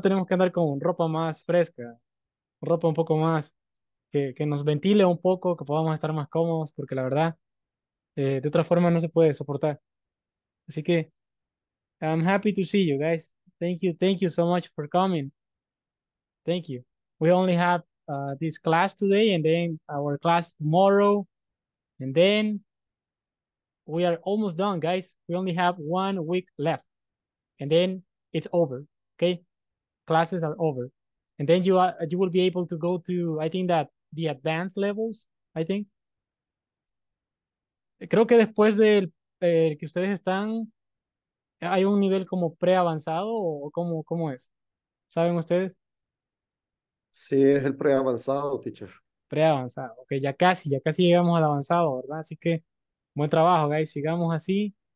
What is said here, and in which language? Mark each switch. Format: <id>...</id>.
<es>Tenemos que andar con ropa más fresca, ropa un poco más que nos ventile un poco, que podamos estar más cómodos, porque la verdad, de otra forma no se puede soportar. Así que,</es> <en>I'm happy to see you guys. Thank you so much for coming. Thank you. We only have this class today and then our class tomorrow. And then we are almost done, guys. We only have 1 week left. And then it's over. Okay? Classes are over. And then you will be able to go to, I think that the advanced levels, I think.</en> <es>Creo que después del que ustedes están, hay un nivel como preavanzado o cómo es. ¿Saben ustedes? Sí, es el preavanzado, teacher. Preavanzado, ok, ya casi llegamos al avanzado, ¿verdad? Así que buen trabajo, guys, sigamos así.</es>